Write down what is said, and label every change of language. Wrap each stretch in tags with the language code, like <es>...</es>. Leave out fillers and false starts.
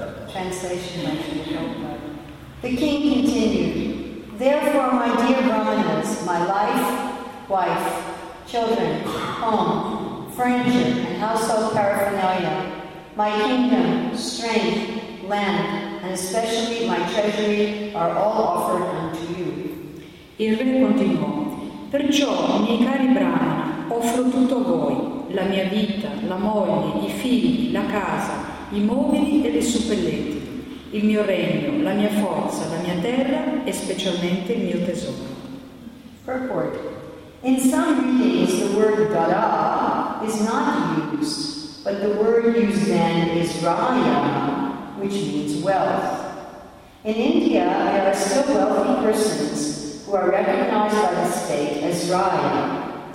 <en>Translation by Shri. The king continued, therefore, my dear Brahmanas, my life, wife, children, home, friendship, and household paraphernalia, my kingdom, strength, land, and especially my treasury are all offered unto you.</en> <it>Il re continuò, perciò, miei cari Brahmanas, offro tutto a voi, la mia vita, la moglie, i figli, la casa, i mobili e le suppellenti, il mio regno, la mia forza, la mia terra e specialmente il mio tesoro.</it> <en>Purport. In some readings the word dada is not used, but the word used then is raya, which means wealth. In India there are still wealthy persons who are recognized by the state as raya.</en>